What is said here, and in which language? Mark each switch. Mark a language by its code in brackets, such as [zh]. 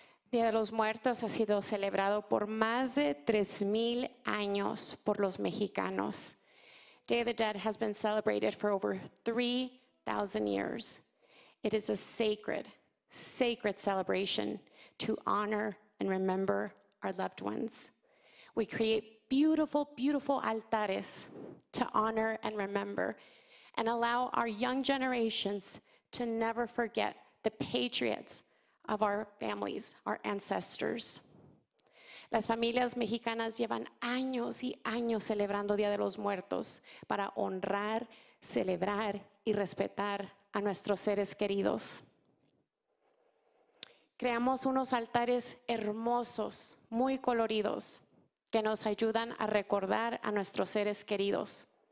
[es] Día de los Muertos ha sido celebrado por más de 3,000 años por los mexicanos. [en] Day of the Dead has been celebrated for over 3,000 years. It is a sacred, sacred celebration to honor and remember our loved ones. We create beautiful, beautiful altares to honor and remember and allow our young generations to never forget the patriots of our families, our ancestors. [es] Las familias mexicanas llevan años y años celebrando Día de los Muertos para honrar, celebrar y respetar a nuestros seres queridos. Creamos unos altares hermosos, muy coloridos, que nos ayudan a recordar a nuestros seres queridos.